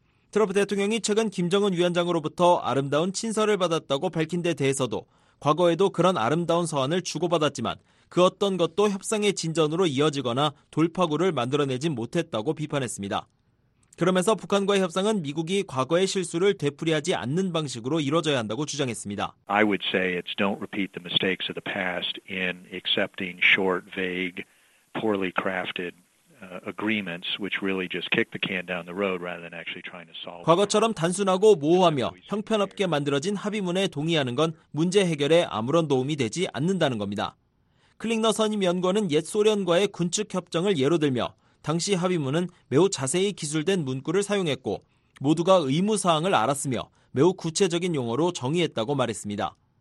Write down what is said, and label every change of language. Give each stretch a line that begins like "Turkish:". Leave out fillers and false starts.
Korean: 트럼프 대통령이 최근 김정은 위원장으로부터 아름다운 친서를 받았다고 밝힌 데 대해서도 과거에도 그런 아름다운 서한을 주고받았지만 그 어떤 것도 협상의 진전으로 이어지거나 돌파구를 만들어내지 못했다고 비판했습니다. 그러면서 북한과의 협상은 미국이 과거의 실수를 되풀이하지 않는 방식으로 이뤄져야 한다고 주장했습니다.
English: I would say it's don't repeat the mistakes of the past in accepting short, vague, poorly crafted agreements which really just kick the can down the road rather than actually trying to solve.
Korean: 과거처럼 단순하고 모호하며 형편없게 만들어진 합의문에 동의하는 건 문제 해결에 아무런 도움이 되지 않는다는 겁니다. 클링너 선임 연구원은 옛 소련과의 군축 협정을 예로 들며 당시 합의문은 매우 자세히 기술된 문구를 사용했고 모두가 의무사항을 알았으며 매우 구체적인 용어로 정의했다고 말했습니다.